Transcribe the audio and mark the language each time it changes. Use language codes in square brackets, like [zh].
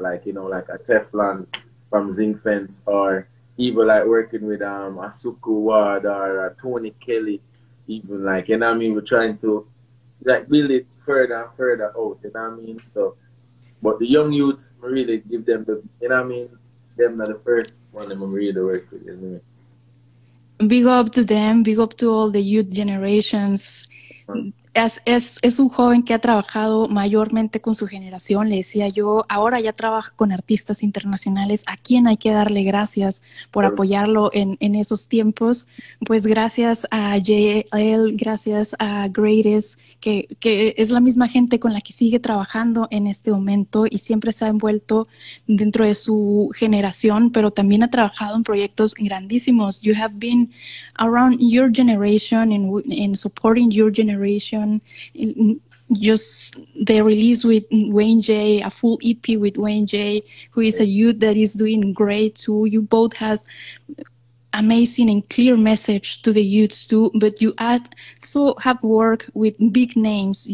[en] Like, you know, like a Teflon from Zinc Fence or even like working with Asuku Ward or Tony Kelly. Even like, you know what I mean? We're trying to like build it further and further out. You know what I mean? So, but the young youths, I really give them the, you know what I mean? Them are the first one I'm really working with, you know what I mean? Big up to them, big up to all the youth generations. [es] Es un joven que ha trabajado mayormente con su generación, le decía yo, ahora ya trabaja con artistas internacionales, ¿a quién hay que darle gracias por apoyarlo en esos tiempos? Pues gracias a JL, gracias a Greatest, que es la misma gente con la que sigue trabajando en este momento y siempre se ha envuelto dentro de su generación, pero también ha trabajado en proyectos grandísimos. [en] You have been around your generation and supporting your generation. Just the release with Wayne J, a full EP with Wayne J, who is a youth that is doing great too. You both have amazing and clear message to the youths too, but you also have worked with big names.